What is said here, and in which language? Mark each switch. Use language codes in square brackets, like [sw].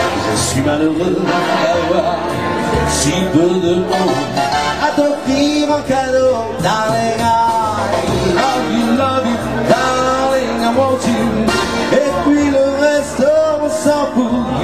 [fr] Je suis malheureux d'avoir si peu de monde à t'offrir un cadeau, darling. [en] I love you, darling. I want you. [fr] Et puis le reste, on s'en fout.